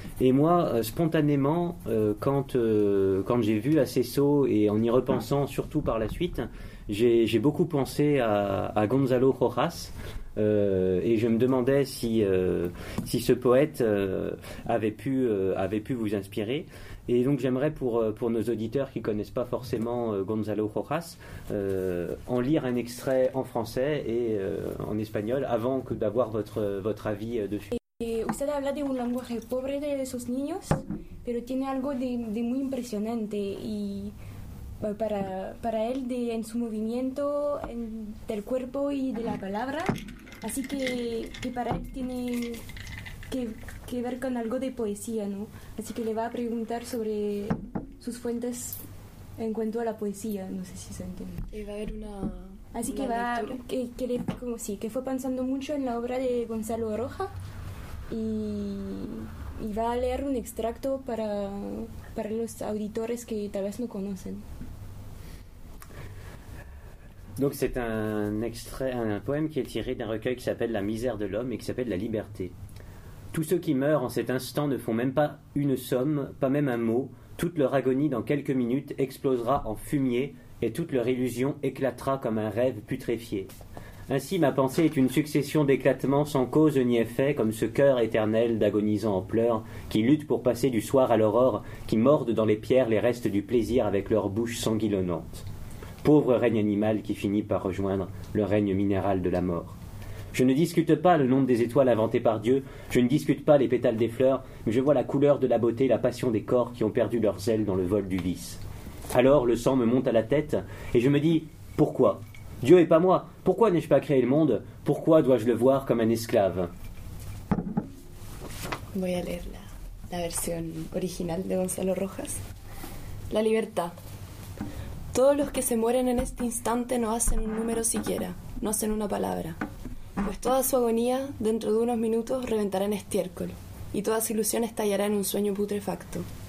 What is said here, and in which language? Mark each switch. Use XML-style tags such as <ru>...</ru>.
<fr>Et moi, spontanément, quand j'ai vu Acesso, et en y repensant surtout par la suite, j'ai beaucoup pensé à Gonzalo Rojas, et je me demandais si ce poète avait pu vous inspirer. Et donc j'aimerais, pour nos auditeurs qui ne connaissent pas forcément Gonzalo Rojas, en lire un extrait en français et en espagnol avant que d'avoir votre avis dessus.</fr> <es>Usted habla de un lenguaje pobre de esos niños, pero tiene algo de muy impresionante, y para él, en su movimiento del cuerpo y de la palabra, así que para él tiene que ver con algo de poesía, ¿no? Así que le va a preguntar sobre sus fuentes en cuanto a la poesía, no sé si se entiende. Y va a haber una... Así que una va, que le, como sí, que fue pensando mucho en la obra de Gonzalo Roja, y va a leer un extracto para los auditores que tal vez no conocen.</es> <fr>Donc c'est un poème qui est tiré d'un recueil qui s'appelle La misère de l'homme et qui s'appelle La liberté. Tous ceux qui meurent en cet instant ne font même pas une somme, pas même un mot. Toute leur agonie dans quelques minutes explosera en fumier et toute leur illusion éclatera comme un rêve putréfié. Ainsi ma pensée est une succession d'éclatements sans cause ni effet, comme ce cœur éternel d'agonisant en pleurs qui lutte pour passer du soir à l'aurore, qui mordent dans les pierres les restes du plaisir avec leur bouche sanguillonnante. Pauvre règne animal qui finit par rejoindre le règne minéral de la mort. Je ne discute pas le nombre des étoiles inventées par Dieu, je ne discute pas les pétales des fleurs, mais je vois la couleur de la beauté, la passion des corps qui ont perdu leurs ailes dans le vol du vice. Alors le sang me monte à la tête et je me dis, pourquoi ? Dieu et pas moi, pourquoi n'ai-je pas créé le monde ? Pourquoi dois-je le voir comme un esclave ?</fr> <es>Voy a leer la versión original de Gonzalo Rojas. La libertad. Todos los que se mueren en este instante no hacen un número siquiera, no hacen una palabra. Pues toda su agonía, dentro de unos minutos, reventará en estiércol, y toda su ilusión estallará en un sueño putrefacto.</es>